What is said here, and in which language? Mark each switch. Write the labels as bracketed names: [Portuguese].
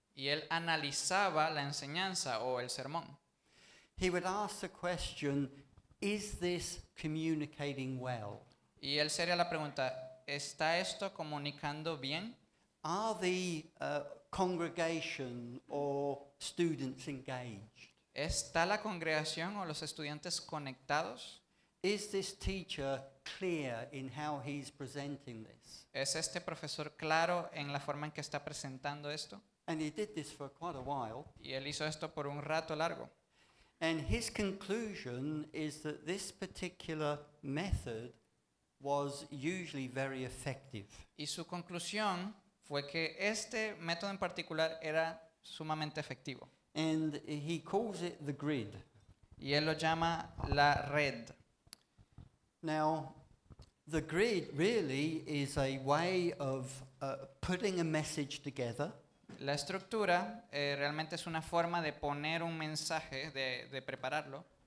[Spanish] Y él analizaba la enseñanza o el sermón. [English] He would ask the question, is this communicating well? [Spanish] Y él sería la pregunta, ¿está esto comunicando bien? [English] Are the congregation or students engaged? [Spanish] ¿Está la congregación o los estudiantes conectados? [English] Is this teacher clear in how he's presenting this? [Spanish] ¿Es este profesor claro en la forma en que está presentando esto? [English] And he did this for quite a while. [Spanish] Y él hizo esto por un rato largo. [English] And his conclusion is that this particular method was usually very effective. [Spanish] Y su conclusión fue que este método en particular era sumamente efectivo. [English] And he calls it the grid. [Spanish] Y él lo llama la red. [English] Now, the grid really is a way of putting a message together. [Spanish] La estructura realmente es una forma de poner un mensaje, de prepararlo.